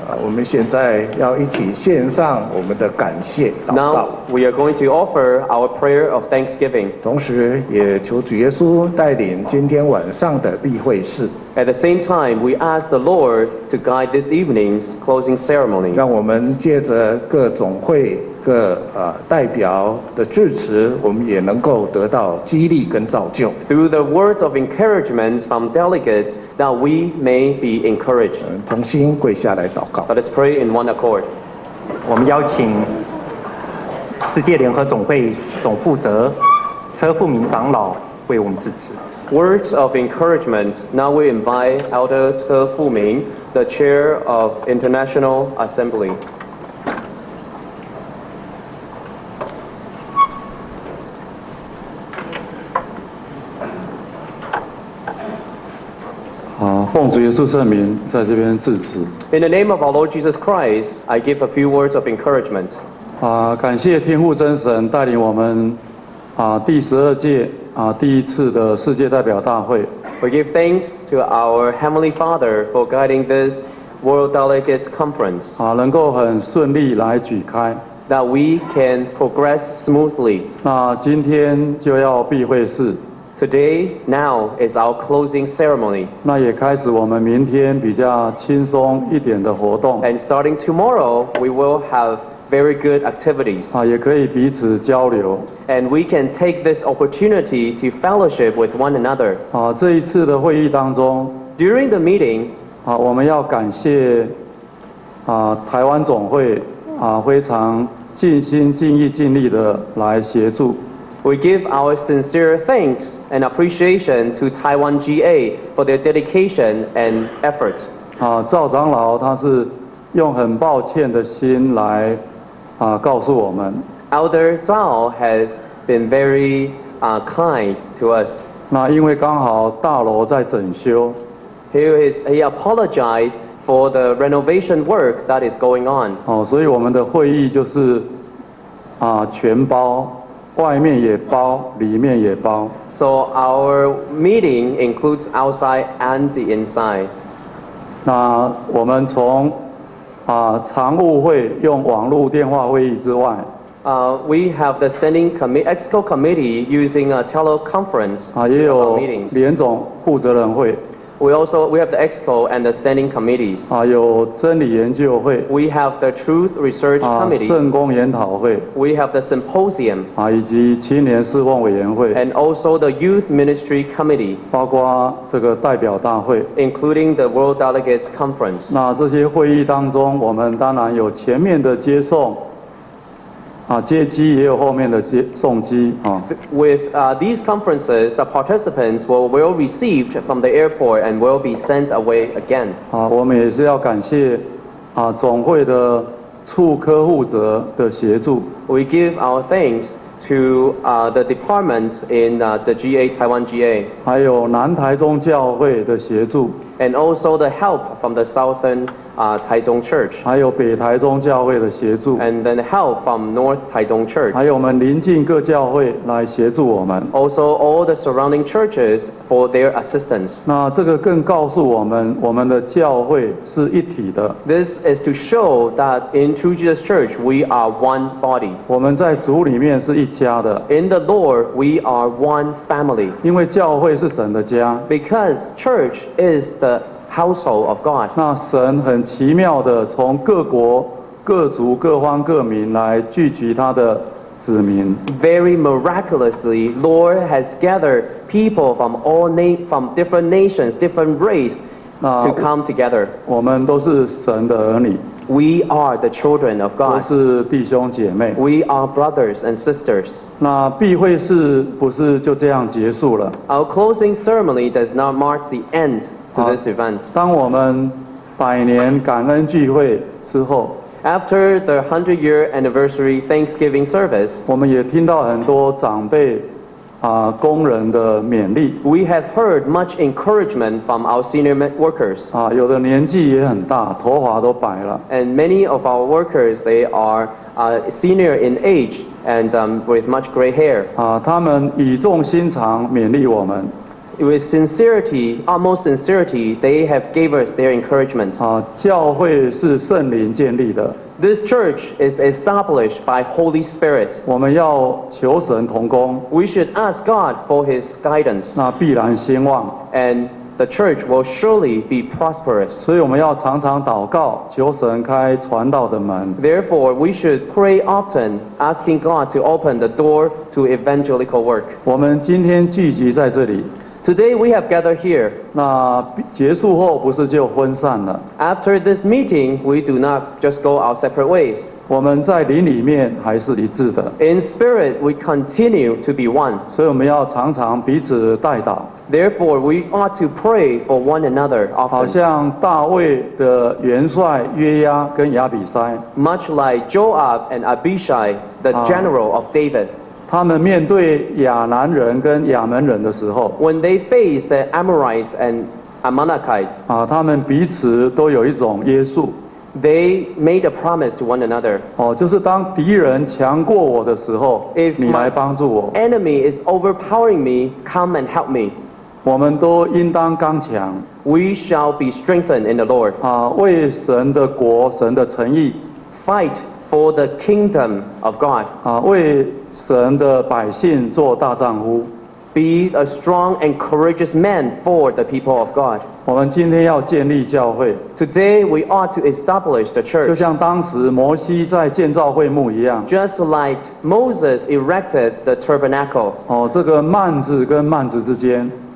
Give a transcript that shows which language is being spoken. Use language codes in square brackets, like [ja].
[zh] 我们现在要一起献上我们的感谢祷告。 [en] Now we are going to offer our prayer of thanksgiving. [zh] 同时也求主耶稣带领今天晚上的闭会式。 [en] At the same time, we ask the Lord to guide this evening's closing ceremony. [zh] 让我们借着各总会各代表的致辞，我们也能够得到激励跟造就。 [en] Through the words of encouragement from delegates, that we may be encouraged. [zh] 同心跪下来祷告。 [en] Let us pray in one accord. [zh] 我们邀请世界联合总会总负责车富明长老为我们致辞。 [en] Words of encouragement. Now we invite Elder Che Fuming, the Chair of International Assembly. [zh] 奉主耶稣圣名，在这边致辞。 [en] In the name of our Lord Jesus Christ, I give a few words of encouragement. [zh] 感谢天父真神带领我们第十二届第一次的世界代表大会。 [en] We give thanks to our Heavenly Father for guiding this World Delegates Conference. [zh] 能够很顺利来举开。 [en] That we can progress smoothly. [zh] 那今天就要闭会式。 [en] Today, now is our closing ceremony. [zh] 那也开始我们明天比较轻松一点的活动。 [en] And starting tomorrow, we will have very good activities. [zh] 也可以彼此交流。 [en] And we can take this opportunity to fellowship with one another. [zh] 这一次的会议当中 [en] During the meeting, [zh] 我们要感谢台湾总会非常尽心尽意尽力的来协助。 [en] We give our sincere thanks and appreciation to Taiwan GA for their dedication and effort. [zh] 赵长老他是用很抱歉的心来告诉我们。 [en] Elder Zhao has been very kind to us. [zh] 那因为刚好大楼在整修。 [en] He apologized for the renovation work that is going on. [zh] 所以我们的会议就是全包，外面也包，里面也包。 [en] So our meeting includes outside and the inside. [zh] 那我们从常务会用网络电话会议之外， [en] We have the standing committee, EXCO committee using a teleconference. [zh] 也有联总负责人会。 [en] We have the EXCO and the standing committees. [zh] 有真理研究会。 [en] We have the truth research committee. [zh] 圣公研讨会。 [en] We have the symposium. [zh] 以及青年事奉委员会。 [en] And also the youth ministry committee. [zh] 包括这个代表大会。 [en] Including the world delegates conference. [zh] 那这些会议当中，我们当然有前面的接送。接机也有后面的送机。 [en] With these conferences, the participants will receive from the airport and will be sent away again. [zh] 我们也是要感谢总会的处科负责的协助。 [en] We give our thanks to the department in the GA, Taiwan GA. [zh] 还有南台中教会的协助。 [en] And also the help from the Southern台中 Church， [zh] 还有北台中教会的协助 [en] ，and then help from North 台中 Church， [zh] 还有我们邻近各教会来协助我们 [en] ，also all the surrounding churches for their assistance。 [zh] 那这个更告诉我们，我们的教会是一体的。 [en] This is to show that in True Jesus Church we are one body。 [zh] 我们在主里面是一家的。 [en] In the Lord we are one family。 [zh] 因为教会是神的家。 [en] Because church is the household of God. [zh] 那神很奇妙的从各国各族各方各民来聚集他的子民。 [en] Very miraculously, Lord has gathered people from all from different nations, different race to come together. [zh] 我们都是神的儿女。 [en] We are the children of God. [zh] 都是弟兄姐妹。 [en] We are brothers and sisters. [zh] 那闭会式不是就这样结束了。 [en] Our closing ceremony does not mark the end. To this event. [zh] 当我们百年感恩聚会之后 [en] After the 100 year anniversary Thanksgiving service, [zh] 我们也听到很多长辈工人的勉励。 [en] We have heard much encouragement from our senior workers. [zh] 有的年纪也很大，头发都白了。 [en] And many of our workers, they are senior in age and with much gray hair. [zh] 他们语重心长勉励我们。 [en] With sincerity, utmost sincerity, they have gave us their encouragement. [zh] 啊，教会是圣灵建立的。 [en] This church is established by Holy Spirit. [zh] 我们要求神同工。 [en] We should ask God for His guidance. [zh] 那必然兴旺。 [en] And the church will surely be prosperous. [zh] 所以我们要常常祷告，求神开传道的门。 [en] Therefore, we should pray often, asking God to open the door to evangelical work. [zh] 我们今天聚集在这里。 [en] Today we have gathered here. [zh] 那结束后不是就分散了？ [en] After this meeting, we do not just go our separate ways. [zh] 我们在灵里面还是一致的。 [en] In spirit, we continue to be one. [zh] 所以我们要常常彼此代祷。 [en] Therefore, we ought to pray for one another often. [zh] 好像大卫的元帅约押跟亚比塞。 [en] Much like Joab and Abishai, the general of David. [zh] 他们面对亚南人跟亚门人的时候 [en] When they face the Amorites and Ammonites、 [zh] 啊、他们彼此都有一种约束 [en] They made a promise to one another、 [zh] 哦、就是当敌人强过我的时候 [en] If [zh] 你来帮助我 [en] enemy is overpowering me, come and help me [zh] 我们都应当刚强 [en] We shall be strengthened in the Lord、 [zh] 啊、为神的国神的诚意 [en] Fight for the kingdom of God、 [zh] 啊、为神的百姓做大丈夫 [en] Be a strong and courageous man for the people of God [zh] 我们今天要建立教会 [en] Today we ought to establish the church [zh] 就像当时摩西在建造会幕一样 [en] Just like Moses erected the tabernacle、 [zh] 哦、这个幔子跟幔子之间